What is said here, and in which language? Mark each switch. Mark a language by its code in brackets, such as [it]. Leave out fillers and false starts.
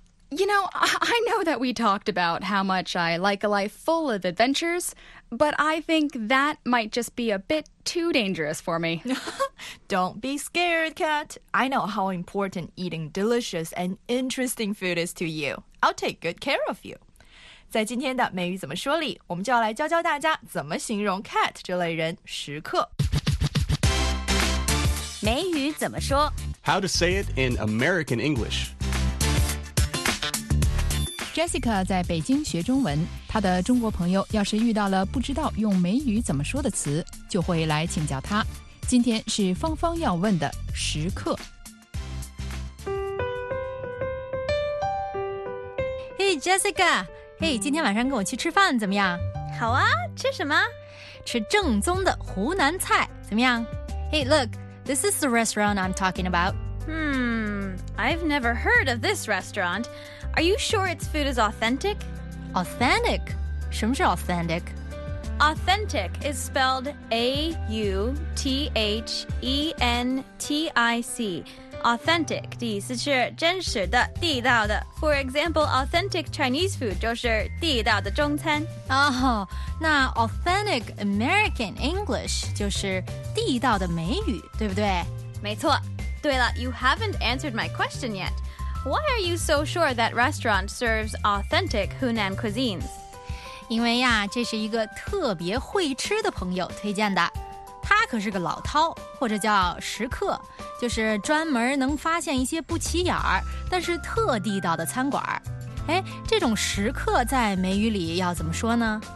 [en] You know, I know that we talked about how much I like a life full of adventures, but I think that might just be a bit too dangerous for me. Don't be scared, Kat. I know how important eating delicious and interesting food is to you. I'll take good care of you. [zh] 在今天的美语怎么说里，我们就要来教教大家怎么形容 Kat 这类人时刻。美语怎么说？ [en] How to say it in American English. [zh] Jessica 在北京学中文，她的中国朋友要是遇到了不知道用美语怎么说的词，就会来请教她。今天是芳芳要问的时刻。 [en] Hey Jessica， hey， [zh] 今天晚上跟我去吃饭怎么样？好啊，吃什么？吃正宗的湖南菜，怎么样？ [en] Hey look， this is the restaurant I'm talking about. I've never heard of this restaurant. Are you sure its food is authentic? [zh] Authentic? 什么是 authentic? [en] Authentic is spelled A-U-T-H-E-N-T-I-C. [zh] Authentic, 第四是真实的、地道的。 For example, [en] authentic Chinese food [zh] 就是地道的中餐。 Oh, 那 [en] authentic American English [zh] 就是地道的美语，对不对？没错。对了， [en] you haven't answered my question yet. Why are you so sure that restaurant serves authentic Hunan cuisines? [zh] 因为呀，这是一个特别会吃的朋友推荐的。他可是个老饕，或者叫食客，就是专门能发现一些不起眼儿，但是特地道的餐馆。哎，这种食客在美语里要怎么说呢？